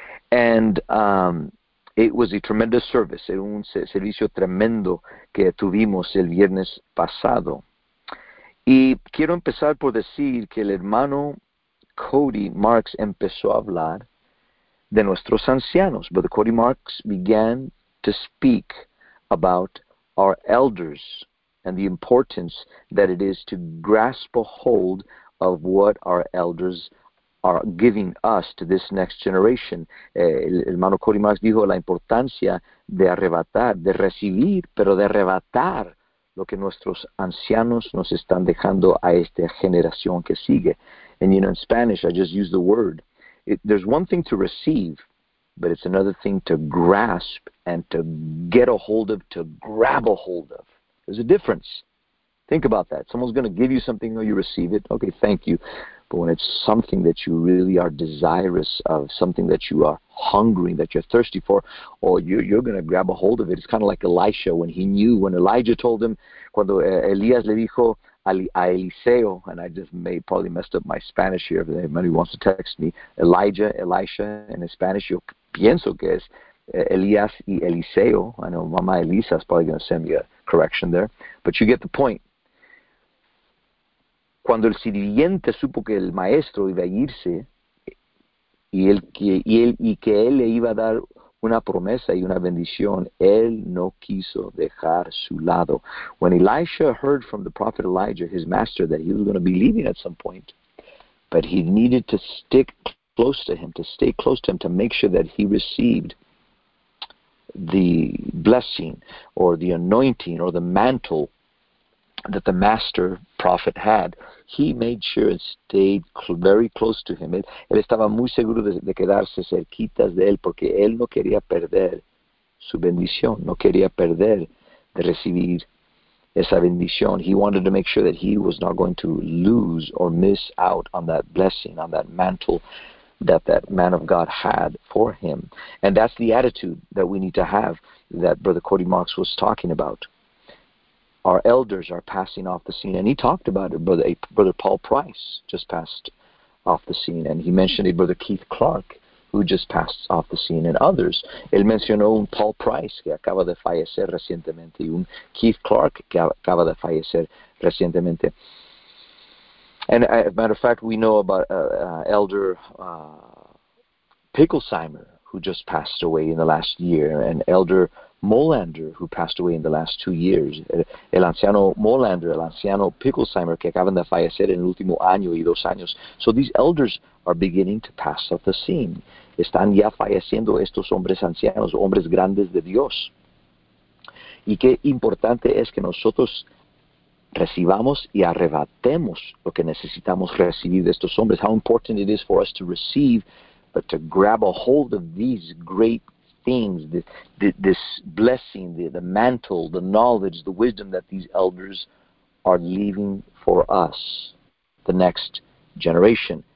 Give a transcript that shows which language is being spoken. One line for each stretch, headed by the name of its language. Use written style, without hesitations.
English: And it was a tremendous service.
Spanish: Era un servicio tremendo que tuvimos el viernes pasado. Y quiero empezar por decir que el hermano Cody Marks empezó a hablar de nuestros ancianos.
English: Brother Cody Marks began to speak about our elders and the importance that it is to grasp a hold of what our elders are giving us to this next generation.
Spanish: El hermano Cody Marks dijo la importancia de arrebatar, de recibir, pero de arrebatar lo que nuestros ancianos nos están dejando a esta generación que sigue.
English: And you know, in Spanish, I just use the word. There's one thing to receive, but it's another thing to grasp and to get a hold of, to grab a hold of. There's a difference. Think about that. Someone's going to give you something, or you receive it. Okay, thank you. But when it's something that you really are desirous of, something that you are hungry, that you're thirsty for, or you're going to grab a hold of it. It's kind of like Elisha when he knew, when Elijah told him,
Spanish: cuando Elías le dijo a Eliseo,
English: and I just may probably messed up my Spanish here, if anybody wants to text me, Elijah, Elisha, and in Spanish,
Spanish: yo pienso que es Elías y Eliseo.
English: I know Mama Elisa is probably going to send me a correction there, but you get the point.
Spanish: Cuando el sirviente supo que el maestro iba a irse y que él le iba a dar una promesa y una bendición, él no quiso dejar su lado.
English: When Elisha heard from the prophet Elijah, his master, that he was going to be leaving at some point, but he needed to stick close to him, to stay close to him, to make sure that he received the blessing or the anointing or the mantle that the master prophet had, he made sure and stayed very close to him.
Spanish: Él estaba muy seguro de quedarse cerquitas de él porque él no quería perder su bendición, no quería perder de recibir esa bendición.
English: He wanted to make sure that he was not going to lose or miss out on that blessing, on that mantle that that man of God had for him. And that's the attitude that we need to have that Brother Cody Marks was talking about. Our elders are passing off the scene. And he talked about it. Brother Paul Price just passed off the scene. And he mentioned a Brother Keith Clark, who just passed off the scene, and others.
Spanish: Él mencionó un Paul Price, que acaba de fallecer recientemente, y un Keith Clark, que acaba de fallecer recientemente.
English: And as a matter of fact, we know about Elder Picklesheimer, who just passed away in the last year, and Elder Molander, who passed away in the last 2 years.
Spanish: El anciano Molander, el anciano Picklesheimer, que acaban de fallecer en el último año y dos años.
English: So these elders are beginning to pass off the scene.
Spanish: Están ya falleciendo estos hombres ancianos, hombres grandes de Dios. Y qué importante es que nosotros recibamos y arrebatemos lo que necesitamos recibir de estos hombres.
English: How important it is for us to receive, but to grab a hold of these great things, this blessing, the mantle, the knowledge, the wisdom that these elders are leaving for us, the next generation.